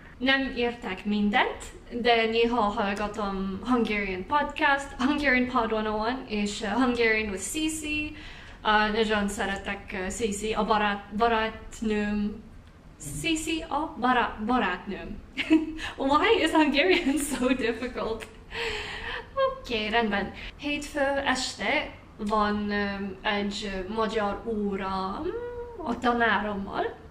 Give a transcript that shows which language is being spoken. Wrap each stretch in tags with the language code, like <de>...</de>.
<hu>Nem értek mindent, de néha hallgatom Hungarian Podcast, Hungarian Pod 101, és Hungarian with Cici. Nagyon szeretek Cici, a barátnőm. Cici a barátnőm.</hu> <en>Why is Hungarian so difficult?</en> <hu>Okay, rendben. Hétfő este van egy magyar óra a tanárommal.</hu>